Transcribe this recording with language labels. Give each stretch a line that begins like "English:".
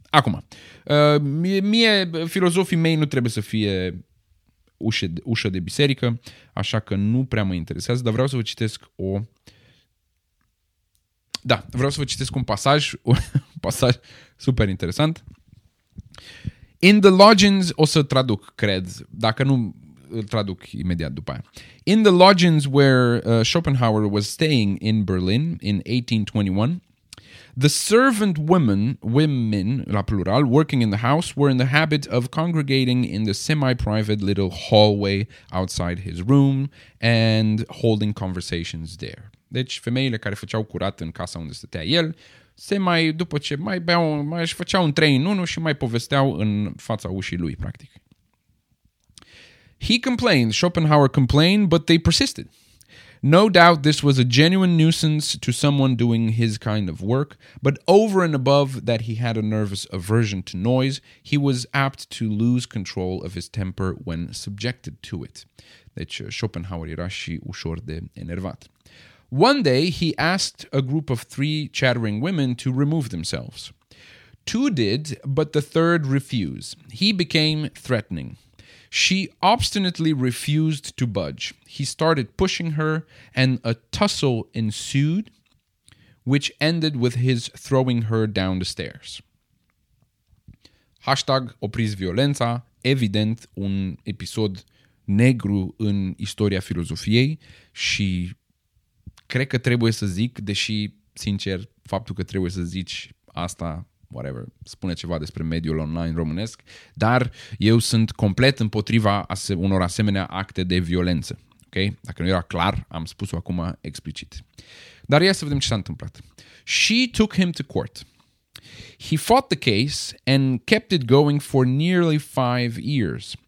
Romanian: Acum, mie, filozofii mei nu trebuie să fie ușă de biserică, așa că nu prea mă interesează, dar vreau să vă citesc o... Da, vreau să vă citesc un pasaj super interesant.
English: In the lodgings,
Romanian: o să traduc, cred, dacă nu, îl traduc imediat după aia.
English: In the lodgings where Schopenhauer was staying in Berlin in 1821, the servant women,
Romanian: la plural,
English: working in the house, were in the habit of congregating in the semi-private little hallway outside his room and holding conversations there.
Romanian: Deci femeile care făceau curat în casa unde stătea el, se mai, după ce mai beau, mai își făceau un 3-in-1 și mai povesteau în fața ușii lui, practic.
English: He complained, Schopenhauer complained, but they persisted. No doubt this was a genuine nuisance to someone doing his kind of work, but over and above that he had a nervous aversion to noise, he was apt to lose control of his temper when subjected to it.
Romanian: Deci Schopenhauer era și ușor de enervat.
English: One day he asked a group of three chattering women to remove themselves. Two did, but the third refused. He became threatening. She obstinately refused to budge. He started pushing her, and a tussle ensued, which ended with his throwing her down the stairs.
Romanian: Hashtag opriți violența, evident un episod negru în istoria filozofiei și cred că trebuie să zic, deși, sincer, faptul că trebuie să zici asta, whatever, spune ceva despre mediul online românesc, dar eu sunt complet împotriva unor asemenea acte de violență. Okay? Dacă nu era clar, am spus-o acum explicit. Dar ia să vedem ce s-a întâmplat.
English: She took him to court. He fought the case and kept it going for nearly 5 years.